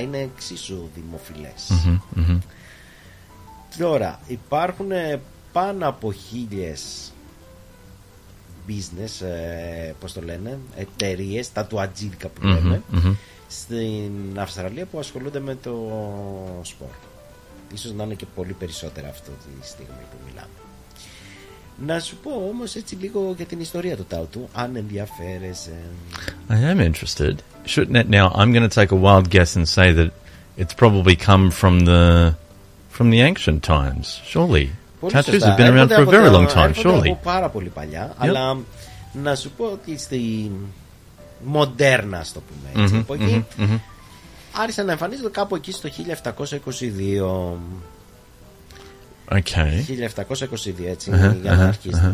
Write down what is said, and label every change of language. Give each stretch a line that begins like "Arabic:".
Greek: Είναι εξίσου δημοφιλές. Τώρα, υπάρχουν πάνω από 1000 business, πώς το λένε, εταιρείες, τα του ατζίδικα που λέμε, στην Αυστραλία που ασχολούνται με το σπορ. Ίσως να είναι και πολύ περισσότερα αυτή τη στιγμή που μιλάμε. Να σου πω όμως έτσι λίγο για την ιστορία του τάουτου, αν ενδιαφέρεσαι.
English: I am interested. Shouldn't it, now I'm going to take a wild guess and say that it's probably come from the ancient times, surely. Tattoos have been around for a very long time, surely.
Greek: Από πάρα πολύ παλιά, αλλά να σου πω ότι στη μοντέρνα, ας το πούμε έτσι, εποχή, άρχισαν να εμφανίζονται κάπου εκεί στο 1722.
English: Okay.
Greek: 1722, έτσι, για να αρχίσει.